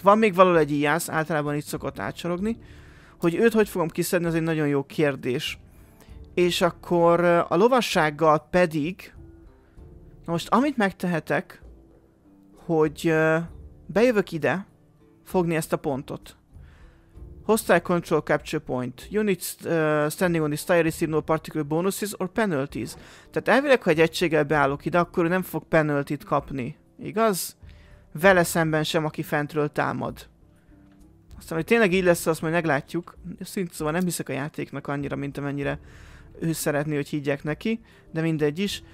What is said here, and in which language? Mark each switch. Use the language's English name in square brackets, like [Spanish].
[Hungarian] Van még valahol egy íjász, általában itt szokott átsorogni. Hogy őt hogy fogom kiszedni, az egy nagyon jó kérdés. És akkor a lovassággal pedig... Na most amit megtehetek, hogy bejövök ide, fogni ezt a pontot. [English] Hostile control capture point. Units standing on the style receive no particular bonuses or penalties. [Hungarian] Tehát elvileg, ha egy egységgel beállok ide, akkor ő nem fog penaltyt kapni. Igaz? Vele szemben sem, aki fentről támad. Aztán, hogy tényleg így lesz, azt majd meglátjuk. Szóval nem hiszek a játéknak annyira, mint amennyire ő szeretné, hogy higgyek neki. De mindegy is.